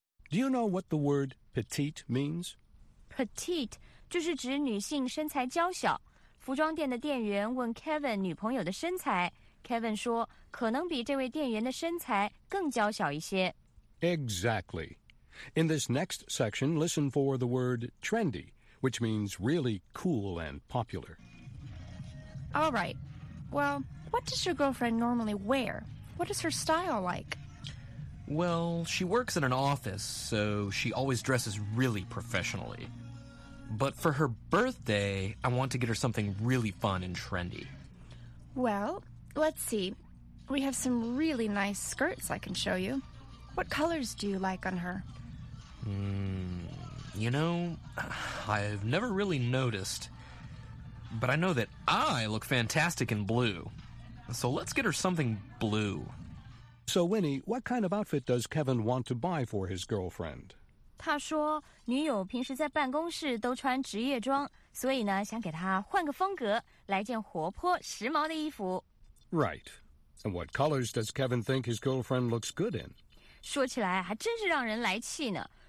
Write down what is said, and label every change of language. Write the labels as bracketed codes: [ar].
[en] Do you know what the word petite means? [zh] Petite 就是指女性身材娇小。服装店的店员问 Kevin 女朋友的身材，Kevin 说可能比这位店员的身材更娇小一些。 [en] Exactly. In this next section, listen for the word trendy, which means really cool and popular. All right. Well, what does your girlfriend normally wear? What is her style like? Well, she works in an office, so she always dresses really professionally. But for her birthday, I want to get her something really fun and trendy. Well, let's see. We have some really nice skirts I can show you. What colors do you like on her? You know, I've never really noticed. But I know that I look fantastic in blue. So let's get her something blue. So, Winnie, what kind of outfit does Kevin want to buy for his girlfriend? [zh] 他说女友平时在办公室都穿职业装，所以呢，想给她换个风格，来件活泼时髦的衣服。 [en] Right. And what colors does Kevin think his girlfriend looks good in? [zh] 说起来还真是让人来气呢。